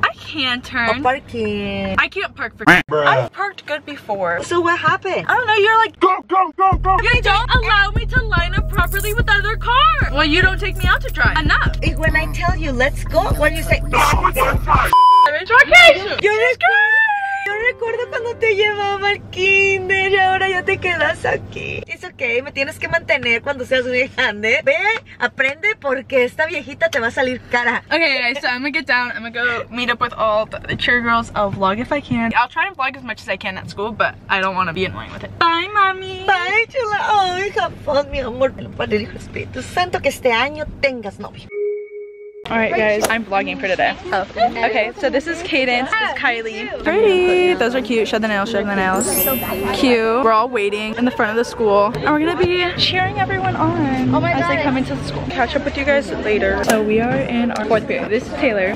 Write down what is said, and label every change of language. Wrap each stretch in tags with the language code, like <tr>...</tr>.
<en>I can't turn. A parking. I can't park for. Bruh. I've parked good before. So what happened? I don't know. You're like, go, go, go, go. You don't allow me to line up properly with other cars. Well, you don't take me out to drive. Enough. If when I tell you, let's go, what do you say? No, I'm in trucation. You're just crazy.</en> <es>Recuerdo cuando te llevaba al kinder y ahora ya te quedas aquí.</es> <en>It's okay,</en> <es>me tienes que mantener cuando seas muy grande. Ve, aprende porque esta viejita te va a salir cara.</es> <en>Okay, guys, so I'm gonna get down. I'm gonna go meet up with all the cheer girls. I'll vlog if I can. I'll try and vlog as much as I can at school, but I don't want to be annoying with it. Bye, mommy.</en> <es>Bye, chula. Ay, Japón, mi amor. Pero para el Espíritu Santo que este año tengas novio.</es> <en>Alright guys, I'm vlogging for today. Okay, so this is Cadence, this is Kylie. Pretty! Those are cute. Show the nails, show the nails. Cute. We're all waiting in the front of the school. And we're gonna be cheering everyone on as they come into the school. Catch up with you guys later. So we are in our fourth period. This is Taylor.</en>